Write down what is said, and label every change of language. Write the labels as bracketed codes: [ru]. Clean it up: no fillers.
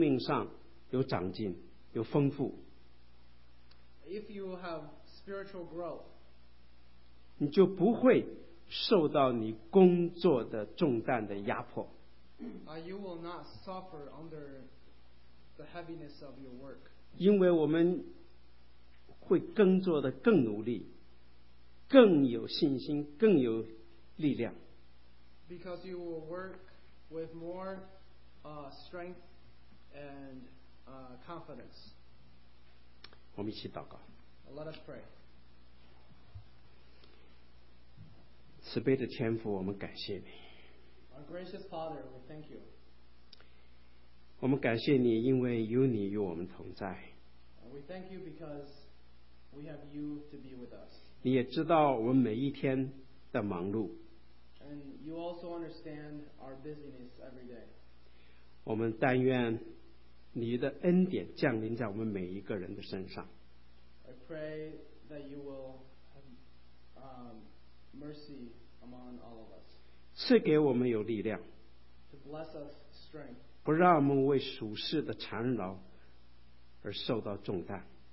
[zh] 假如你在属灵的生命上有长进，有丰富。 [en] If you have spiritual growth, [zh] 你就不会受到你工作的重担的压迫。 [en] You will not suffer under the heaviness of your work. [zh] 因为我们会更做的更努力，更有信心，更有力量。 [en] Because you will work with more strength and confidence. [zh] 我们一起祷告。 [en] Let us pray. [zh] 慈悲的天父，我们感谢你。 [en] Our gracious Father, we thank you. [zh] 我们感谢你，因为有你与我们同在。 [en] We thank you because we have you to be with us. [zh] 你也知道我们每一天的忙碌。 [en] And you also understand our busyness every day. [zh] 我们但愿你的恩典降临在我们每一个人的身上。 [en] I pray that you will have mercy among all of us. [zh] 赐给我们有力量, [en] to bless us strength. [zh] 不让我们为属世的缠绕而受到重担。